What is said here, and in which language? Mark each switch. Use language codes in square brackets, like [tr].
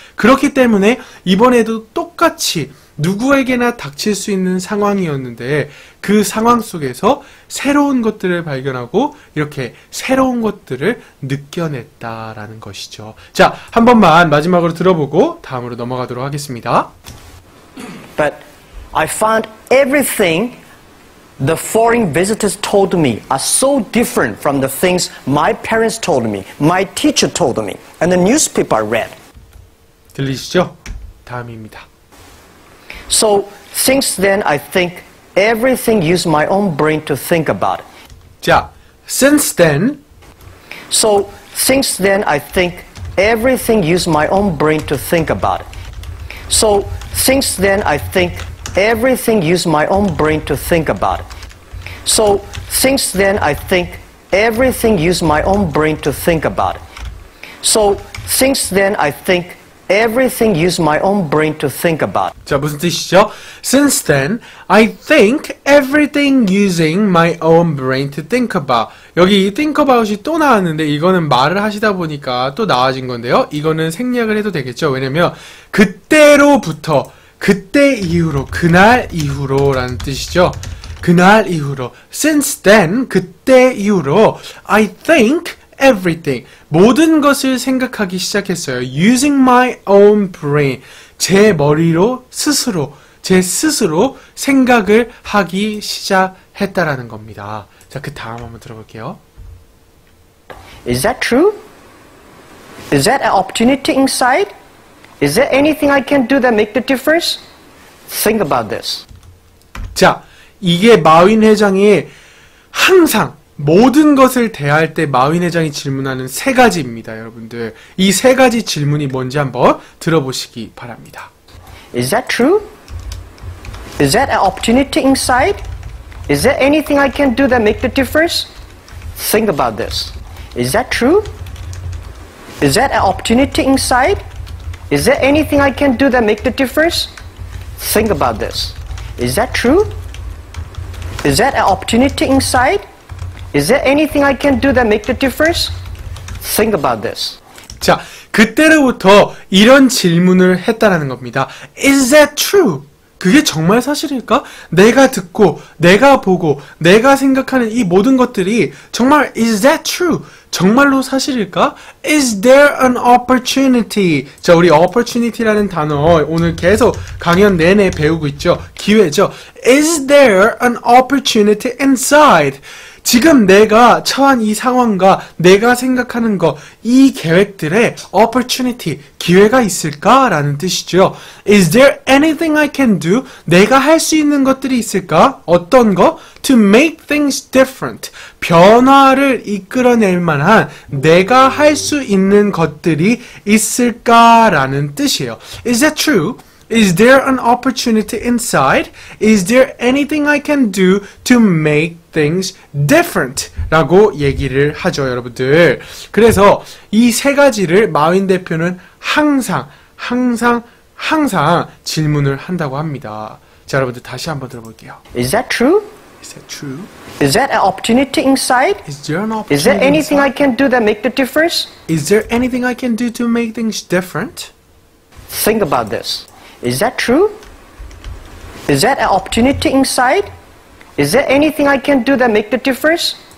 [ko] 그렇기 때문에 이번에도 똑같이 누구에게나 닥칠 수 있는 상황이었는데, 그 상황 속에서 새로운 것들을 발견하고 이렇게 새로운 것들을 느껴냈다라는 것이죠. 자, 한 번만 마지막으로 들어보고 다음으로 넘어가도록 하겠습니다. [en] But I found everything the foreign visitors told me are so different from the things my parents told me, my teacher told me, and the newspaper I read. [ko] 들리시죠? 다음입니다. [en] So since then, I think everything used my own brain to think about. 자, since then. So since then, I think everything used my own brain to think about. So since then, I think everything used my own brain to think about. So since then, I think everything used my own brain to think about. So since then, I think everything used my own brain to think about. [ko] 자, 무슨 뜻이죠? [en] Since then, I think everything using my own brain to think about. [ko] 여기 [en] think about [ko] 이 또 나왔는데, 이거는 말을 하시다 보니까 또 나와진 건데요. 이거는 생략을 해도 되겠죠? 왜냐면, 그때로부터, 그때 이후로, 그날 이후로라는 뜻이죠? 그날 이후로, [en] since then, [ko] 그때 이후로, [en] I think everything. [ko] 모든 것을 생각하기 시작했어요. [en] Using my own brain. [ko] 제 머리로 스스로, 제 스스로 생각을 하기 시작했다라는 겁니다. 자, 그 다음 한번 들어볼게요. [en] Is that true? Is that an opportunity inside? Is there anything I can do that make the difference? Think about this. [ko] 자, 이게 마윈 회장이 항상 모든 것을 대할 때 마윈 회장이 질문하는 세 가지입니다, 여러분들. 이세 가지 질문이 뭔지 한번 들어보시기 바랍니다. [en] Is that true? Is that an opportunity inside? Is there anything I can do that make the difference? Think about this. Is that true? Is that an opportunity inside? Is there anything I can do that make the difference? Think about this. Is that true? Is that an opportunity inside? Is there anything I can do that make the difference? Think about this. [ko] 자, 그때로부터 이런 질문을 했다라는 겁니다. [en] Is that true? [ko] 그게 정말 사실일까? 내가 듣고, 내가 보고, 내가 생각하는 이 모든 것들이 정말 [en] is that true? [ko] 정말로 사실일까? [en] Is there an opportunity? [ko] 자, 우리 opportunity라는 단어 오늘 계속 강연 내내 배우고 있죠? 기회죠? [en] Is there an opportunity inside? [ko] 지금 내가 처한 이 상황과 내가 생각하는 것, 이 계획들에 opportunity, 기회가 있을까라는 뜻이죠. [en] Is there anything I can do? [ko] 내가 할 수 있는 것들이 있을까? 어떤 거? [en] To make things different. [ko] 변화를 이끌어낼 만한 내가 할 수 있는 것들이 있을까라는 뜻이에요. [en] Is that true? Is there an opportunity inside? Is there anything I can do to make things different? [ko] 라고 얘기를 하죠, 여러분들. 그래서 이 세 가지를 마윈 대표는 항상 질문을 한다고 합니다. 자, 여러분들 다시 한번 들어볼게요. [en] Is that true? Is that true? Is that an opportunity inside? Is there an opportunity inside? Is there anything I can do that make the difference? Is there anything I can do to make things different? Think about this. Is that true? Is that an opportunity inside? Is there anything I can do that make the difference?